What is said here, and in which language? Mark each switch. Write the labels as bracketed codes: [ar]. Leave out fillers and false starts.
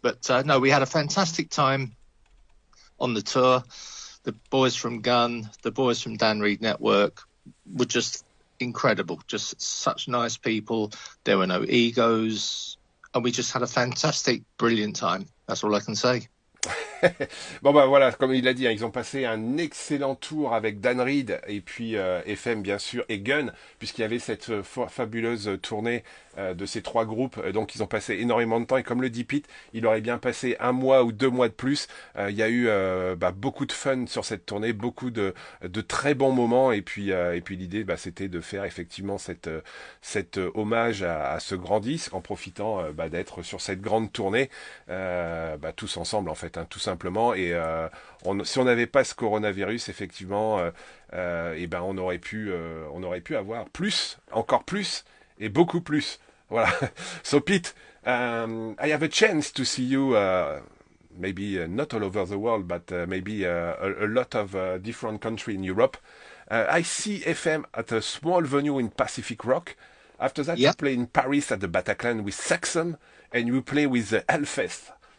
[en] But no, we had a fantastic time on the tour. The boys from Gunn, the boys from Dan Reed Network were just incredible. Just such nice people. There were no egos. And we just had a fantastic, brilliant time. That's all I can say. [fr] Bon bah voilà, comme il l'a dit, hein, ils ont passé un excellent tour avec Dan Reed et puis FM bien sûr et Gunn, puisqu'il y avait cette fabuleuse tournée de ces trois groupes. Donc ils ont passé énormément de temps et comme le dit Pete, il aurait bien passé un mois ou deux mois de plus. Il y a eu beaucoup de fun sur cette tournée, beaucoup de très bons moments et puis l'idée c'était de faire effectivement cette hommage à ce grand disque en profitant d'être sur cette grande tournée tous ensemble en fait, hein, tout simplement. Et si on n'avait pas ce coronavirus, effectivement, on aurait pu avoir plus, encore plus et beaucoup plus. Voilà. [en] So Pete, I have a chance to see you maybe not all over the world, but maybe a lot of different countries in Europe. I see FM at a small venue in Pacific Rock. After that, yep. You play in Paris at the Bataclan with Saxon, and you play with the Hellfest.